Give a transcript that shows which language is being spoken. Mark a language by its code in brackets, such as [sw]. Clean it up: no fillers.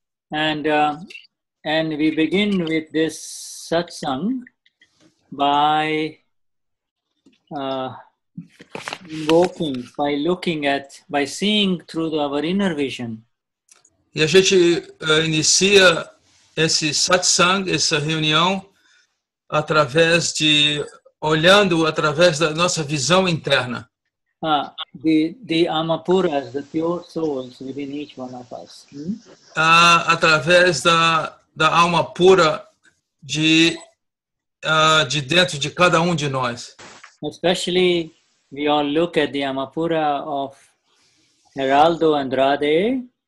[en] And we begin with this satsang by invoking, by looking at, by seeing through our inner vision. [pt] E a gente inicia esse satsang, essa reunião, através de olhando através da nossa visão interna. [en] The Amapuras, the pure souls within each one of us. [pt] Através da alma pura de dentro de cada um de nós. [en] Especially we all look at the Amapura of Geraldo Andrade.